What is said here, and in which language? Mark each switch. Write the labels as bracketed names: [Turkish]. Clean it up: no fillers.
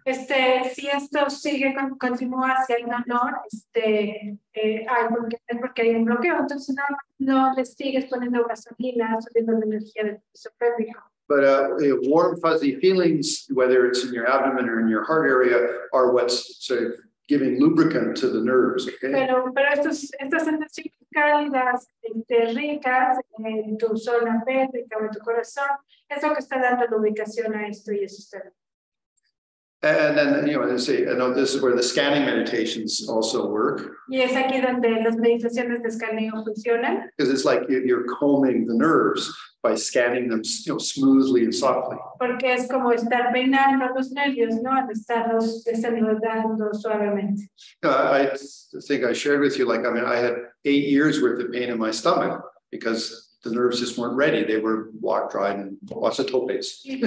[Spanish] Este, si esto sigue continúa si hay dolor, este, algo que es porque hay un bloqueo, entonces no le sigues poniendo gasolina, subiendo la energía del piso pélvico. [English] But warm, fuzzy feelings, whether it's in your abdomen or in your heart area, are what's sort of giving lubricant to the nerves. Okay. [Spanish] Pero estas sensaciones cálidas, ricas en tu zona pélvica, en tu corazón, es lo que está dando lubricación a esto y eso está. [English] And then, you know, this is where the scanning meditations also work. [Spanish] Y es aquí donde las meditaciones de escaneo funcionan. [English] Because it's like you're combing the nerves by scanning them, you know, smoothly and softly. [Spanish] Porque es como estar peinando los nervios, ¿no? Al estarlos desenredando suavemente. [English] I think I shared with you, like, I mean, I had 8 years worth of pain in my stomach because the nerves just weren't ready. They were blocked, dried, and lots of topes.